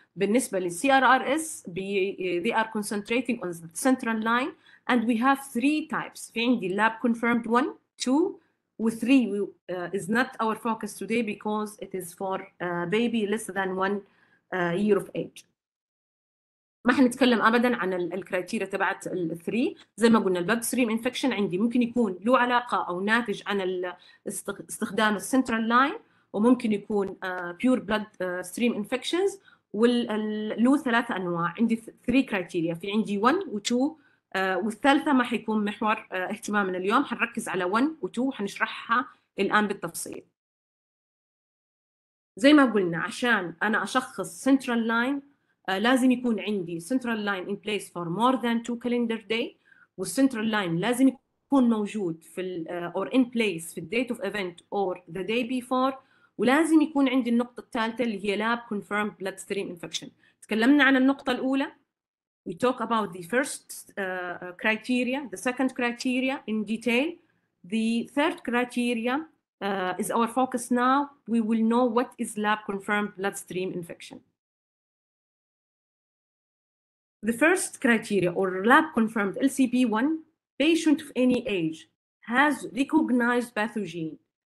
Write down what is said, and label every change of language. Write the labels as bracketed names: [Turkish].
[Arabic] بالنسبة للCRRS, [English] they are concentrating on the central line. And we have three types. [Arabic] في عندي [English] lab confirmed one, two, with three is not our focus today because it is for a baby less than 1 year of age. [Arabic] ما حنتكلم ابدا عن الكرايتيريا تبعت الثري. زي ما قلنا البلودستريم انفكشن عندي ممكن يكون له علاقه او ناتج عن استخدام السنترال لاين وممكن يكون بيور بلود ستريم انفكشنز له ثلاث انواع. عندي ثري كرايتيريا, في عندي 1 و 2 والثالثة ما حيكون محور اهتمامنا اليوم, حنركز على 1 و2 وحنشرحها الآن بالتفصيل. زي ما قلنا عشان أنا أشخص [English] central line لازم يكون عندي central line in place for more than 2 calendar day, [Arabic] والcentral line لازم يكون موجود في ال [English] or in place [Arabic] في [English] date of event or the day before, [Arabic] ولازم يكون عندي النقطة الثالثة اللي هي [English] lab confirmed bloodstream infection. [Arabic] تكلمنا عن النقطة الأولى, [English] We talk about the first criteria, the second criteria in detail. The third criteria is our focus now. We will know what is lab-confirmed bloodstream infection. The first criteria or lab-confirmed LCP1, patient of any age has recognized pathogen.